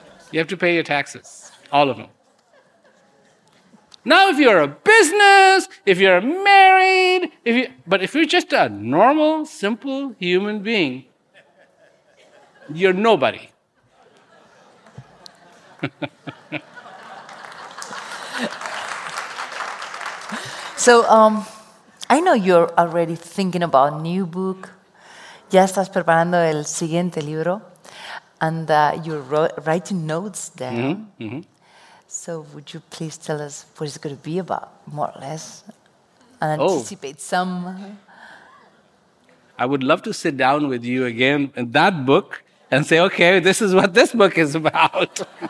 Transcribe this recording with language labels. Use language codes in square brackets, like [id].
[en] You have to pay your taxes, all of them. Now if you're a business, if you're married, but if you're just a normal, simple human being, you're nobody. So I know you're already thinking about a new book. [es] Ya estás preparando el siguiente libro. [en] And you're writing notes there. Mm-hmm. Mm-hmm. So would you please tell us what it's going to be about, more or less? And anticipate some. I would love to sit down with you again in that book and say, okay, this is what this book is about.